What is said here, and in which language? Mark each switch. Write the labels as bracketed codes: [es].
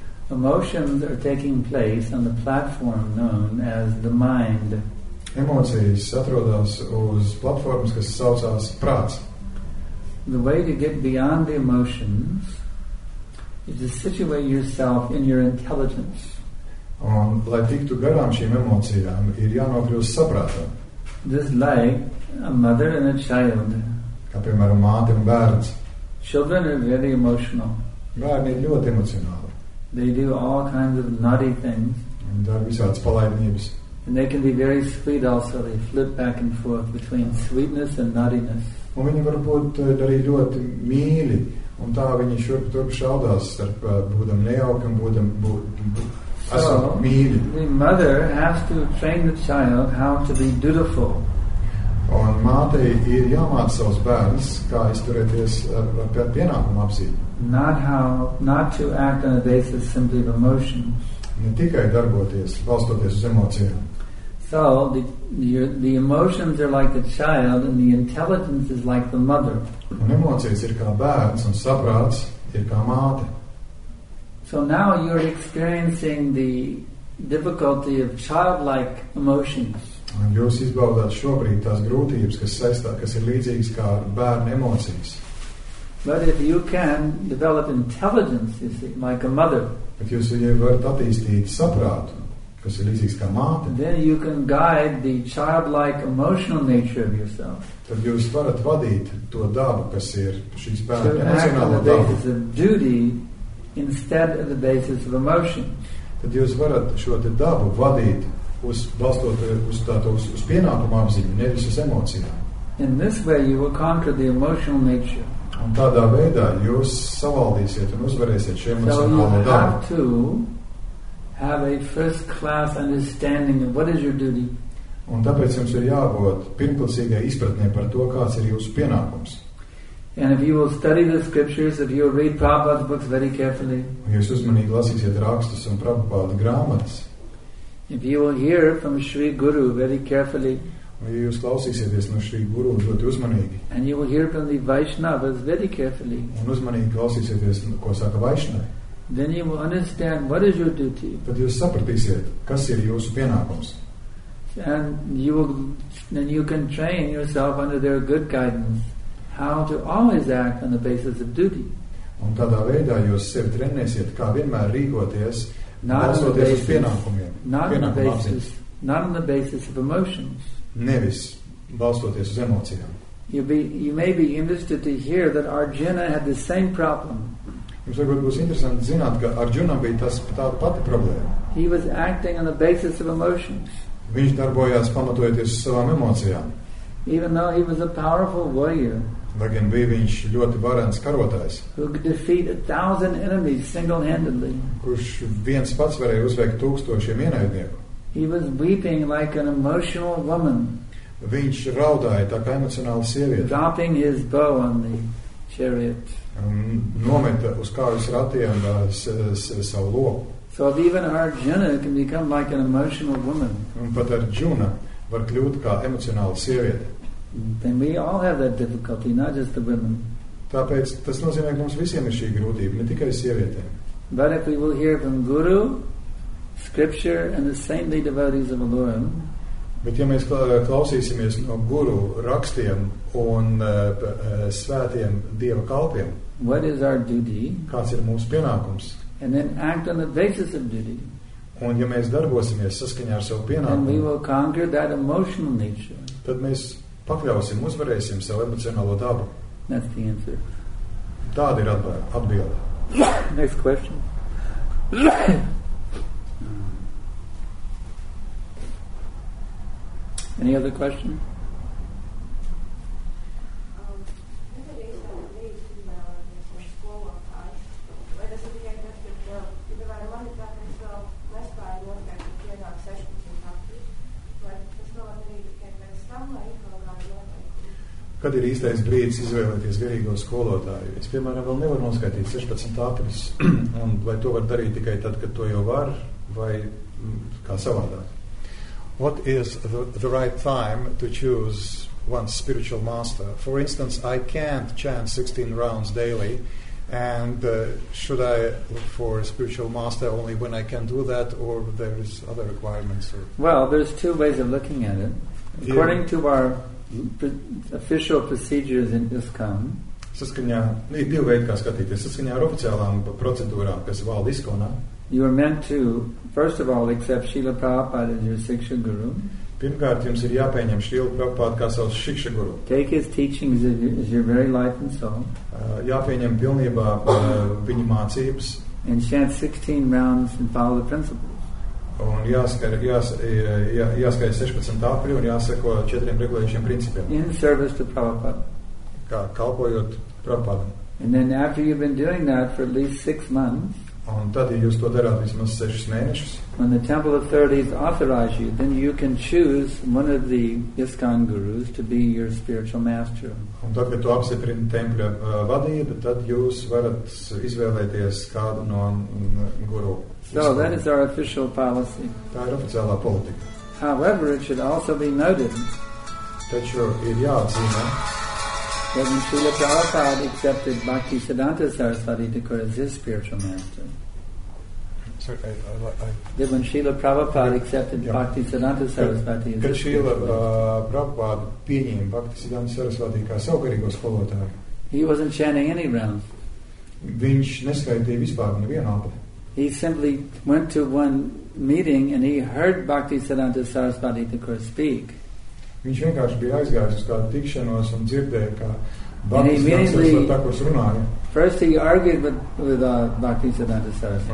[en] Emotions are taking place on the platform known as the mind. [lv] Emocijas atrodas uz platformas, kas saucās prāts. [en] The way to get beyond the emotions is to situate yourself in your intelligence. [lv] Un, lai tiktu garām šīm emocijām, ir jānokļūst saprātā. [en] Just like a mother and a child. [lv] Kā, piemēram, māte un bērns. [en] Children are very emotional. [lv] Bērni ir ļoti emocionāli. [en] They do all kinds of naughty things. [lv] Un dar visādas palaidnības. [en] And they can be very sweet also. They flip back and forth between sweetness and naughtiness. [lv] Un viņi var būt arī ļoti mīļi. Un tā viņi šurp turp šaudās starp būdam nejauki un būdam esam mīļi. [en] So, the mother has to train the child how to be dutiful. [lv] Un mātei ir jāmāca savus bērns, kā izturēties ar pienākumu apzīmi. [en] Not to act on a basis simply of emotions. [lv] Ne tikai darboties, balstoties uz emocijām. [en] So, the emotions are like the child and the intelligence is like the mother. [lv] Un emocijas ir kā bērns un saprāts ir kā māte. [en] So now you're experiencing the difficulty of childlike emotions. [lv] Un jūs izbaudāt šobrīd tās grūtības, kas saistā, kas ir līdzīgas kā bērnu emocijas. [en] But if you can develop intelligence, you see, like a mother. [lv] Bet jūs varat attīstīt saprātu, kas ir līdzīgs kā māte. [en] Then you can guide the childlike emotional nature of yourself. [lv] Tad jūs varat vadīt to dabu, kas ir šīs bērnu emocionālo dabu. [en] To act on the basis of duty instead of the basis of emotion. [lv] Tad jūs varat šo te dabu vadīt uz balstot uz pienākumu apziņu, nevis uz emocijām. [en] In this way you will conquer the emotional nature. [lv] Un tādā veidā jūs savaldīsiet un uzvarēsiet šo emocionālo dabu. [en] To have a first class understanding of what is your duty. [lv] Un tāpēc jums ir jābūt pirmklasīgai izpratnē par to, kāds ir jūsu pienākums. [en] And if you will study the scriptures, if you will read Prabhupada's books very carefully. [lv] Un jūs uzmanīgi lasīsiet rakstus un Prabhupada grāmatas. [en] If you will hear from Sri Guru very carefully. [lv] Ja jūs klausīsieties no Sri Guru ļoti uzmanīgi. [en] And you will hear from the Vaishnavas very carefully. [lv] Un uzmanīgi klausīsieties, ko saka Vaishnavi. [en] Then you will understand what is your duty. [lv] Tad jūs sapratīsiet, kas ir jūsu pienākums. [en] And you can train yourself under their good guidance how to always act on the basis of duty. [lv] Un tādā veidā jūs sevi trenēsiet, kā vienmēr rīkoties, balstoties uz pienākumiem. [en] Not on the basis of emotions. [lv] Nevis balstoties uz emocijām. [en] You may be interested to hear that Arjuna had the same problem. [lv] Jums varbūt būs interesanti zināt, ka Arjuna bija tāda pati problēma. [en] He was acting on the basis of emotions. [lv] Viņš darbojās pamatojoties uz savām emocijām. [en] Even though he was a powerful warrior. [lv] Lai gan bija viņš ļoti varens karotājs. [en] Who could defeat 1,000 enemies single-handedly. [lv] Kurš viens pats varēja uzveikt tūkstošiem ienaidnieku. [en] He was weeping like an emotional woman. [lv] Viņš raudāja tā kā emocionāla sieviete. [en] Dropping his bow on the chariot. [lv] Nometa uz kājas ratiem savu loku. [en] So even Arjuna can become like an emotional woman. [lv] Un pat Arjuna var kļūt kā emocionāla sieviete. [en] Then we all have that difficulty, not just the women. [lv] Tāpēc tas nozīmē, ka mums visiem ir šī grūtība, ne tikai sievietēm. [en] But if we will hear from Guru, scripture and the saintly devotees of Alluram. [lv] Bet ja mēs klausīsimies no guru rakstiem un svētiem dieva kalpiem. [en] What is our duty? [lv] Kāds ir mūsu pienākums? [en] And then act on the basis of duty. [lv] Un ja mēs darbosimies saskaņā ar savu pienākumu, [en] then we will conquer that emotional nature. [lv] Tad mēs pakļausim, uzvarēsim savu emocionālo dabu. [en] That's the answer. [lv] Tāda ir atbilde. [en] Next question. Any other question? [lv] Kad ir īstais brīdis izvēlēties garīgo skolotāju? Es, piemēram, vēl nevaru noskaitīt 16 āpris, un vai to var darīt tikai tad, kad to jau var, vai kā savādāk? [en] What is the right time to choose one's spiritual master? For instance, I can't chant 16 rounds daily, and should I look for a spiritual master only when I can do that, or there is other requirements? Or? Well, there's two ways of looking at it. According to our official procedures in ISKCON. [lv] Saskaņā, ir divi veidi, kā skatīties. Saskaņā ar oficiālām procedūrām, kas valda ISKCONā. [en] You are meant to, first of all, accept Srila Prabhupada as your Siksha Guru. [lv] Pirmkārt, jums ir jāpieņem Srila Prabhupada kā savu Siksha Guru. [en] Take his teachings as your very life and soul. [lv] Jāpieņem pilnībā viņa mācības. [en] And chant 16 rounds and follow the principles. [lv] Un jāskaita 16. Āpri un jāseko četriem regulējušiem principiem. [en] In service to Prabhupada. [lv] Kā kalpojot Prabhupada. [en] And then after you've been doing that for at least 6 months. [lv] Un tad, ja jūs to darāt vismaz 6 mēnešus. [en] When the temple authorities authorize you, then you can choose one of the ISKCON gurus to be your spiritual master. [lv] Un tad, kad to apsiprina tempļa vadība, tad jūs varat izvēlēties kādu no guru. [en] So that is our official policy. [lv] Tā ir oficiālā politika. [en] However, it should also be noted. [lv] Taču ir jāatzīmē. [en] When Srila Prabhupada accepted Bhakti Siddhanta Saraswati Thakura as his spiritual master. Sorry, when Srila Prabhupada accepted Bhakti Siddhanta Saraswati as his spiritual master. [lv] Kad Srila Prabhupada pieņēma Bhakti Siddhanta Saraswati kā savu garīgo skolotāju. [en] He wasn't chanting any rounds. [lv] Viņš neskaitīja vispār nevienu āpri. [en] He simply went to one meeting and he heard Bhakti Siddhanta Saraswati Thakura speak. [lv] Viņš vienkārši bija aizgājis uz kādu tikšanos un dzirdēja, ka Bhakti Siddhanta Thakura runāja. [en] First he argued with Bhakti Siddhanta Saraswati.